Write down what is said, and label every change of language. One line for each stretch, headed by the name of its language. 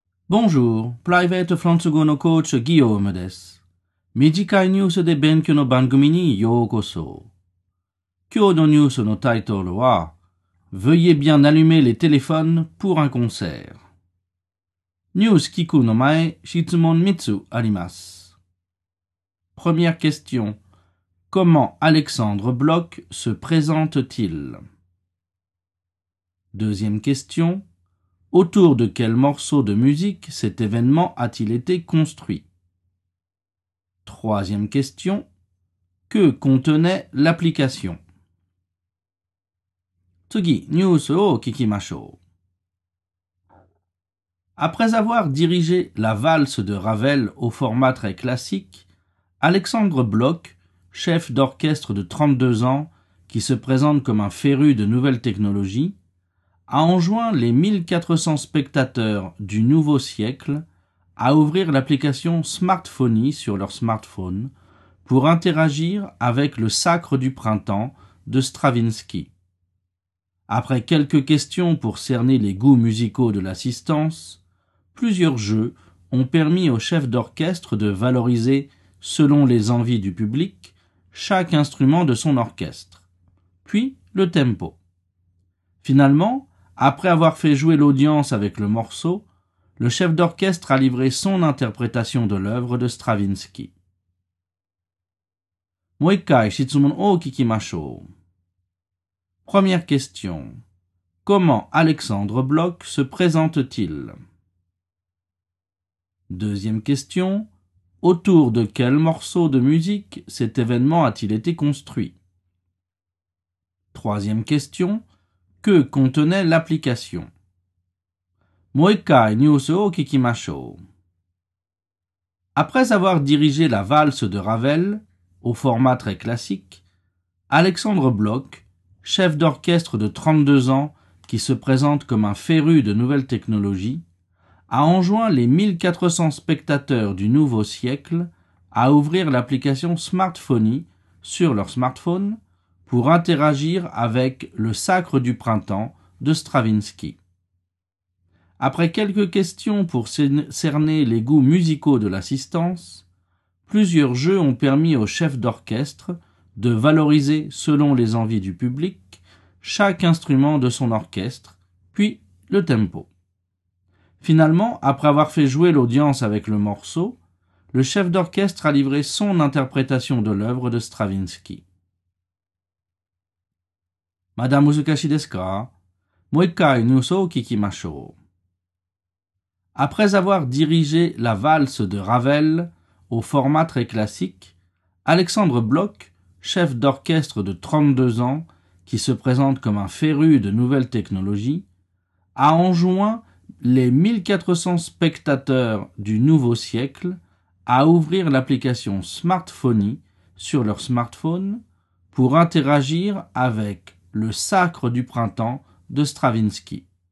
French: Bonjour,
Japanese: Private France 語のコーチ、ギヨームです。短いニュースで勉強の番組にようこそ。今日のニュースのタイトルは、
French: Veuillez bien allumer les téléphones pour un concert。
Japanese: ニュース聞くの前、質問3つあります。
French: Première question. Comment Alexandre Bloch se présente-t-il? Deuxième question. Autour de quel morceau de musique cet événement a-t-il été construit? Troisième question. Que contenait l'application?
Japanese: 次、ニュースを聞きましょう。
French: Après avoir dirigé la valse de Ravel au format très classique, Alexandre Bloch, chef d'orchestre de 32 ans, qui se présente comme un féru de nouvelles technologies,a enjoint les 1400 spectateurs du nouveau siècle à ouvrir l'application Smartphony sur leur smartphone pour interagir avec le Sacre du printemps de Stravinsky. Après quelques questions pour cerner les goûts musicaux de l'assistance, plusieurs jeux ont permis au chef d'orchestre de valoriser, selon les envies du public, chaque instrument de son orchestre, puis le tempo. Finalement,Après avoir fait jouer l'audience avec le morceau, le chef d'orchestre a livré son interprétation de l'œuvre de Stravinsky.
Japanese: もう一回質問を聞きましょう。
French: Première question. Comment Alexandre Bloch se présente-t-il? Deuxième question. Autour de quel morceau de musique cet événement a-t-il été construit? Troisième question. Que contenait l'application?
Japanese: もう一回ニュースを聞きましょう。
French: Après avoir dirigé la valse de Ravel, au format très classique, Alexandre Bloch, chef d'orchestre de 32 ans qui se présente comme un féru de nouvelles technologies, a enjoint les 1400 spectateurs du nouveau siècle à ouvrir l'application Smartphony sur leur smartphonePour interagir avec le Sacre du printemps de Stravinsky. Après quelques questions pour cerner les goûts musicaux de l'assistance, plusieurs jeux ont permis au chef d'orchestre de valoriser, selon les envies du public, chaque instrument de son orchestre, puis le tempo. Finalement, après avoir fait jouer l'audience avec le morceau, le chef d'orchestre a livré son interprétation de l'œuvre de Stravinsky.
Japanese: まだ難しいですか? もう一回ニュースを聞きましょう。
French: Après avoir dirigé la valse de Ravel au format très classique, Alexandre Bloch, chef d'orchestre de 32 ans, qui se présente comme un féru de nouvelles technologies, a enjoint les 1400 spectateurs du nouveau siècle à ouvrir l'application Smartphony sur leur smartphone pour interagir avecLe Sacre du printemps de Stravinsky.